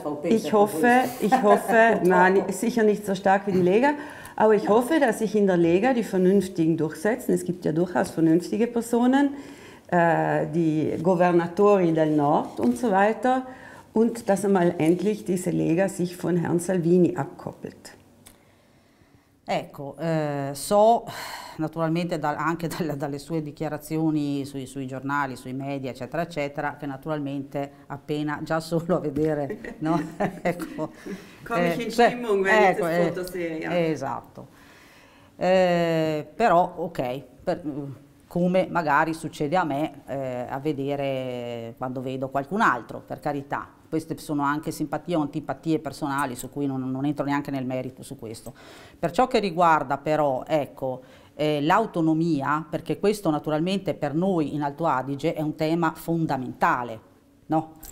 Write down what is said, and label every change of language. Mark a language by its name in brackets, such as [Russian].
[German] Ich hoffe, nein, sicher nicht so stark wie die Lega, aber ich hoffe, dass sich in der Lega die Vernünftigen durchsetzen. Es gibt ja durchaus vernünftige Personen, die [Italian] Governatori del Nord [German] und so weiter, und dass einmal endlich diese Lega sich von Herrn Salvini abkoppelt. [Italian] Ecco, so naturalmente dalle sue dichiarazioni sui giornali, sui media, eccetera, eccetera, che naturalmente appena già solo a vedere, no? Ecco. Come [German] ich in Stimmung, wenn ich das Foto sehe. [Italian] Esatto. Però, ok, come magari succede a me a vedere quando vedo qualcun altro, per carità. Queste sono anche simpatie o antipatie personali, su cui non entro neanche nel merito su questo. Per ciò che riguarda però, ecco, l'autonomia, perché questo naturalmente per noi in Alto Adige è un tema fondamentale, no?